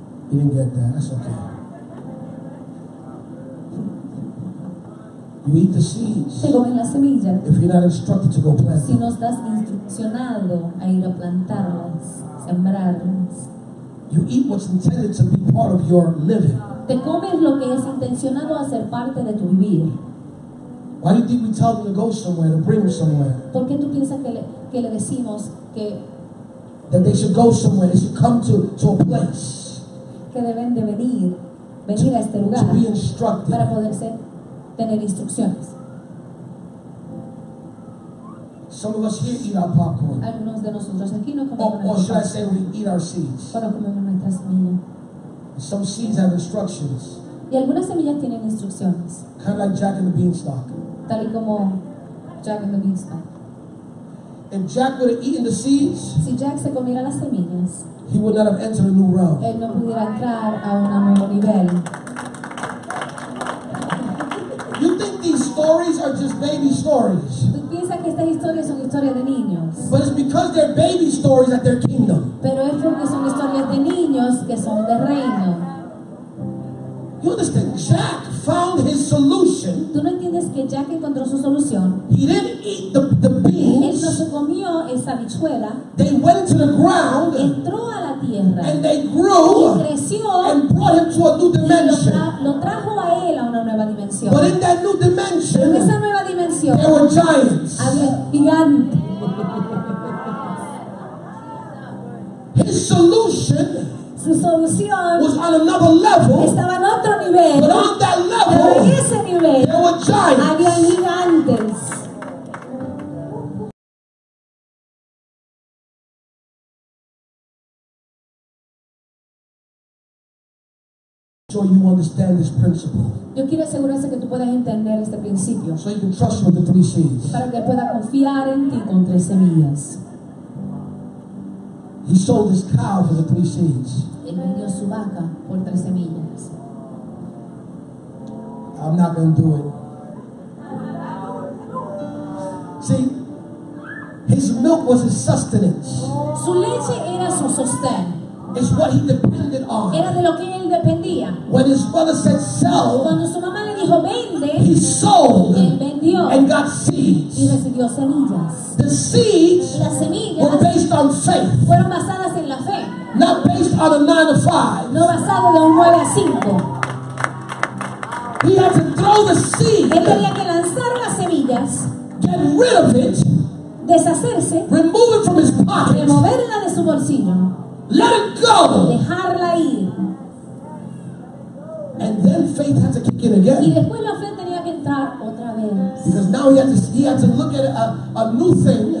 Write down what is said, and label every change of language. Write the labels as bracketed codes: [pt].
[en] You didn't get that. That's okay. You eat the seeds. [es] Te comen las semillas. [en] If you're not instructed to go plant. [es] Si no estás instruccionado a ir a plantarlas, sembrarlas. [en] You eat what's intended to be part of your living. [es] Te comes lo que es intencionado a ser parte de tu vivir. [en] Why do you think we tell them to go somewhere, to bring them somewhere? [es] ¿Por qué tú piensas que le decimos que [en] that they should go somewhere, they should come to a place? [es] Que deben de venir a este lugar [en] to be instructed. [es] Para poder tener instrucciones. [en] Some of us here eat our popcorn. [es] Algunos de nosotros aquí no comemos popcorn. [en] Or should I say we eat our seeds? [es] Para comer nuestras semillas. [en] Some seeds have instructions. [es] Y algunas semillas tienen instrucciones. [en] Kind of like Jack and the Beanstalk. [es] Tal y como Jack and the Beanstalk. [en] If Jack would have eaten the seeds, [es] si Jack se comiera las semillas, [en] he would not have entered a new realm. [es] Él no pudiera entrar a un nuevo nivel. [en] You think these stories are just baby stories? [es] ¿Tú piensas que estas historias son historias de niños? [en] But it's because they're baby stories that they're kingdom. [es] Pero es porque son historias de niños que son de reino. [en] You understand? Jack found his solution. [es] ¿Tú no entiendes que Jack encontró su solución? [en] He didn't eat the beans. [es] Él no se comió esa bichuela. [en] They went into the ground. [es] Entró a la tierra. [en] And they grew. [es] Y creció. [en] And brought him to a new dimension. [es] Lo trajo a él a una nueva dimensión. [en] But in that new dimension, [es] en esa nueva dimensión, [en] there were giants. [es] Había gigantes. [en] His solution. [es] Su solución [en] was on another level. [es] Estaba en otro nivel. [en] But on that level, [es] pero en ese nivel, [en] there were giants. [es] Había gigantes. [en] So you understand this principle. [es] Yo quiero asegurarse que tú puedas entender este principio. [en] So you can trust with the three seeds. [es] Para que pueda confiar en ti con tres semillas. [en] He sold his cow for the three seeds. [es] Él vendió su vaca por tres semillas. [en] I'm not going to do it. See, his milk was his sustenance. [es] Su leche era su sostén. [en] It's what he depended on. [es] Era de lo que él dependía. [en] When his mother said sell, [es] cuando su mamá le dijo vende, [en] he sold, [es] él vendió, [en] and got seeds. [es] Y recibió semillas. [en] The seeds, [es] las semillas, [en] were based on faith. [es] Fueron basadas en la fe. [en] Not based on a 9-to-5. [es] No basado en un 9-to-5. [en] He had to throw the seed. [es] Él tenía que lanzar las semillas. [en] Get rid of it. [es] Deshacerse. [en] Remove it from his pocket. [es] Removerla de su bolsillo. [en] Let it go. [es] Dejarla ir. [en] And then faith had to kick in again. [es] Y después la fe tenía que entrar otra vez. [en] Because now he had to look at a new thing.